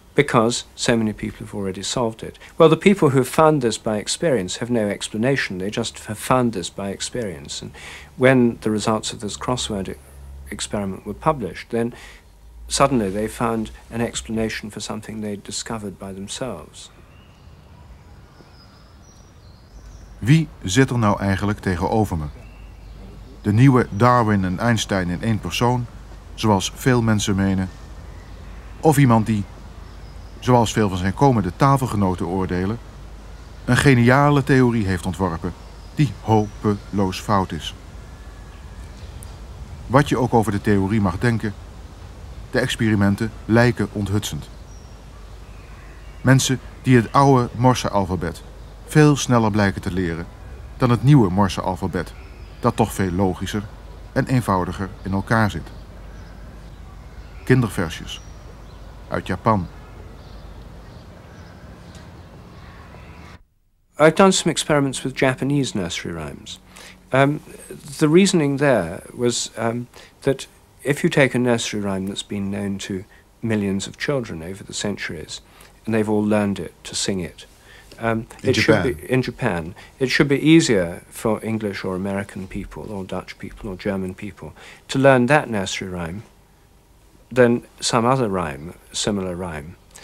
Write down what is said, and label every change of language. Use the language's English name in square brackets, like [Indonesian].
[English] Because so many people have already solved it. Well, the people who have found this by experience have no explanation. They just have found this by experience. And when the results of this crossword experiment were published, then suddenly they found an explanation for something they'd discovered by themselves. [Dutch] Wie zit er nou eigenlijk tegenover me? De nieuwe Darwin en Einstein in één persoon, zoals veel mensen menen. Of iemand die, zoals veel van zijn komende tafelgenoten oordelen, een geniale theorie heeft ontworpen die hopeloos fout is. Wat je ook over de theorie mag denken, de experimenten lijken onthutsend. Mensen die het oude Morse-alfabet veel sneller blijken te leren dan het nieuwe Morse-alfabet, dat toch veel logischer en eenvoudiger in elkaar zit. Kinderversjes uit Japan. [English] I've done some experiments with Japanese nursery rhymes. The reasoning there was that if you take a nursery rhyme that's been known to millions of children over the centuries, and they've all learned it to sing it, it should be easier for English or American people or Dutch people or German people to learn that nursery rhyme than some other rhyme, similar rhyme.